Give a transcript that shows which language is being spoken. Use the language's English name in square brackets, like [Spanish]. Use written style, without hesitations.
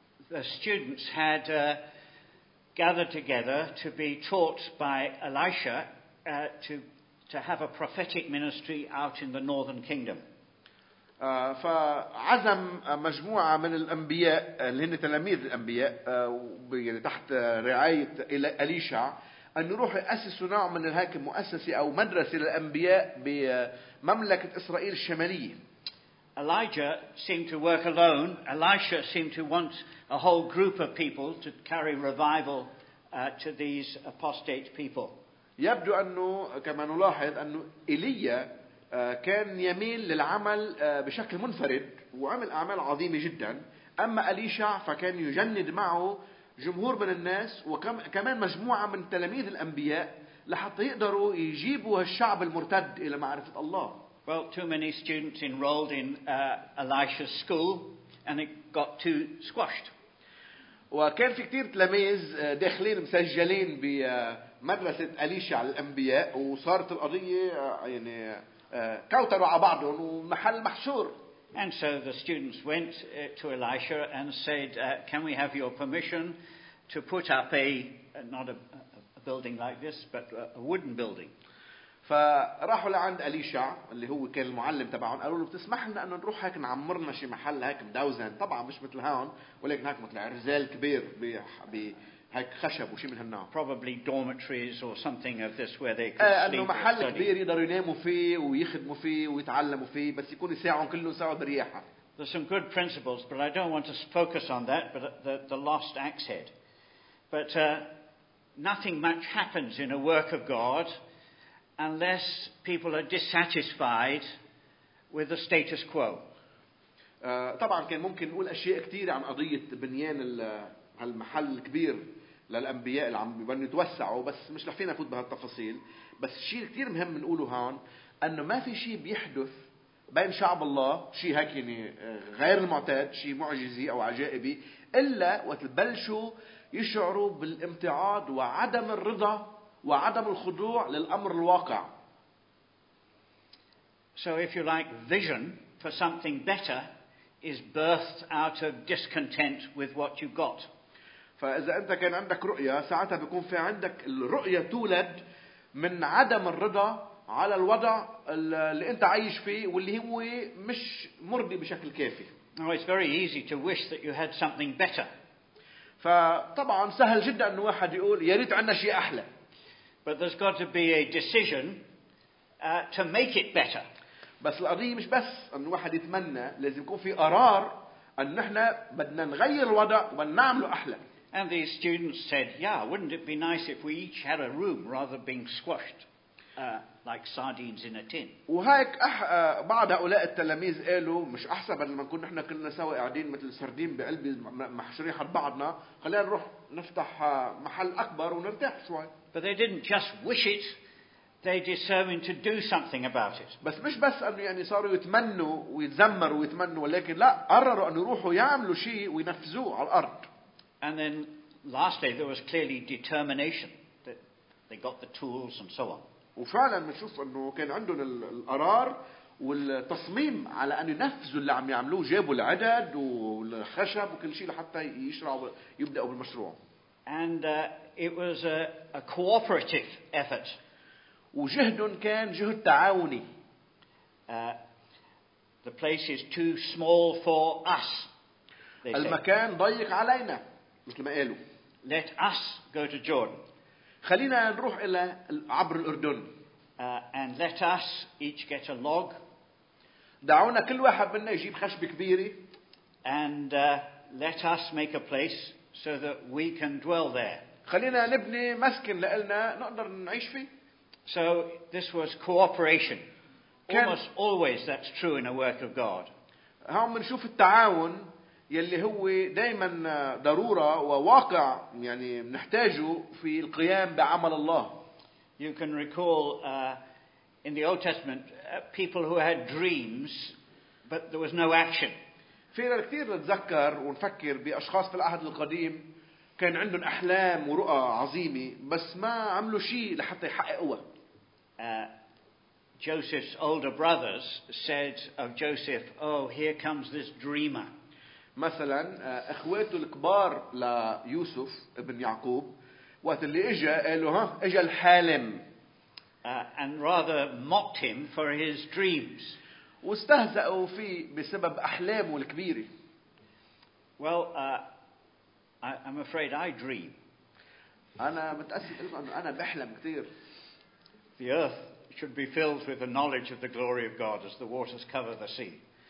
[English] The students had gathered together to be taught by Elisha to have a prophetic ministry out in the northern kingdom. [Arabic] فعزم مجموعة من الأنبياء اللي هن تلاميذ الأنبياء يعني تحت رعاية إليشع أن يروح يأسسوا نوع من هيك مؤسسة أو مدرسة للأنبياء بمملكة إسرائيل الشمالية. [English] Elijah seemed to work alone. Elisha seemed to want a whole group of people to carry revival to these apostate people. [Arabic] يبدو أنه كما نلاحظ أنه إيليا كان يميل للعمل بشكل منفرد وعمل أعمال عظيمة جدا، أما إليشع فكان يجند معه جمهور من الناس وكمان مجموعة من تلاميذ الأنبياء لحتى يقدروا يجيبوا الشعب المرتد إلى معرفة الله. [English] Well, too many students enrolled in Elisha's school and it got too squashed. [Arabic] وكان في كتير تلاميذ داخلين مسجلين بمدرسة إليشع الأنبياء وصارت القضية يعني كوتروا على بعضهم ومحل محشور. [English] And so the students went to Elisha and said, can we have your permission to put up not a building like this, but a wooden building. [Arabic] فراحوا لعند إليشع اللي هو كان المعلم تبعهم، قالوا له بتسمح لنا أن نروح هيك نعمرنا شي محل هيك مدوزن، طبعا مش مثل هون ولكن هيك مثل عرزال كبير بهيك خشب وشي من هالنوع. [English] Probably dormitories or something of this where they could sleep. [Arabic] أنه محل كبير يقدروا يناموا فيه ويخدموا فيه ويتعلموا فيه بس يكون يساعهم كله ساعة برياحة. [English] There's some good principles but I don't want to focus on that, but the lost axe head. But nothing much happens in a work of God unless people are dissatisfied with the status quo. [Arabic] طبعا كان ممكن نقول اشياء كثيرة عن قضية بنيان هالمحل الكبير للانبياء اللي عم بيبنوا يتوسعوا، بس مش رح فينا نفوت بهالتفاصيل. بس الشيء كثير مهم نقوله هون انه ما في شيء بيحدث بين شعب الله شيء هيك يعني غير المعتاد، شيء معجزي او عجائبي، الا وقت بلشوا يشعروا بالامتعاض وعدم الرضا وعدم الخضوع للأمر الواقع. [English] So if you like, vision for something better is birthed out of discontent with what you've got. [Arabic] فإذا أنت كان عندك رؤية ساعتها بيكون في عندك الرؤية تولد من عدم الرضا على الوضع اللي أنت عايش فيه واللي هو مش مرضي بشكل كافي. [English] Now it's very easy to wish that you had something better. [Arabic] فطبعا سهل جدا أن واحد يقول يا ريت عندنا شيء أحلى. [English] But there's got to be a decision to make it better. [Arabic] بس القضية مش بس أن واحد يتمنى، لازم يكون في قرار أن نحنا بدنا نغير الوضع ونعمله أحلى. [English] And these students said, "Yeah, wouldn't it be nice if we each had a room rather than being squashed like sardines in a tin?" [Arabic] وهيك بعض هؤلاء التلاميذ قالوا مش أحسن بدل ما نكون نحنا كلنا سوا قاعدين مثل سردين بقلب محشرين حد بعضنا، خلينا نروح نفتح محل أكبر ونرتاح شوي. [English] But they didn't just wish it; they determined to do something about it. [Arabic] بس مش بس أنه يعني صاروا يتمنوا ويتذمروا ويتمنوا، ولكن لا قرروا أن يروحوا يعملوا شيء وينفذوه على الأرض. [English] And then, lastly, there was clearly determination that they got the tools and so on. [Arabic] وفعلاً نشوف أنه كان عندهم القرار والتصميم على أن ينفذوا اللي عم يعملوه، جابوا العدد والخشب وكل شيء لحتى يشرعوا يبدأوا بالمشروع. [English] And it was a cooperative effort. [Arabic] وجهدهم كان جهد تعاوني. [English] The place is too small for us. [Arabic] المكان ضيق علينا مثل ما قالوا. [English] Let us go to Jordan. [Arabic] خلينا نروح إلى عبر الأردن. [English] And let us each get a log. [Arabic] دعونا كل واحد منا يجيب خشب كبيرة. [English] And let us make a place so that we can dwell there. [Arabic] خلينا نبني مسكن لنا نقدر نعيش فيه. [English] So this was cooperation. Almost always that's true in a work of God. [Arabic] هون بنشوف التعاون يلي هو دائما ضرورة وواقع يعني بنحتاجه في القيام بعمل الله. [English] You can recall in the Old Testament people who had dreams but there was no action. [Arabic] فينا كثير نتذكر ونفكر بأشخاص في العهد القديم كان عندهم أحلام ورؤى عظيمة بس ما عملوا شيء لحتى يحققوها. [English] Joseph's older brothers said of Joseph, "Oh, here comes this dreamer." [Arabic] مثلا اخواته الكبار ليوسف ابن يعقوب وقت اللي اجى قالوا ها اجى الحالم. [English] And rather mocked him for his dreams. [Arabic] واستهزأوا فيه بسبب أحلامه الكبيرة. [English] Well, I'm afraid I dream. [Arabic] أنا متأسف إنه أنا بحلم كثير. [English] The earth should be filled with the knowledge of the glory of God as the waters cover the sea.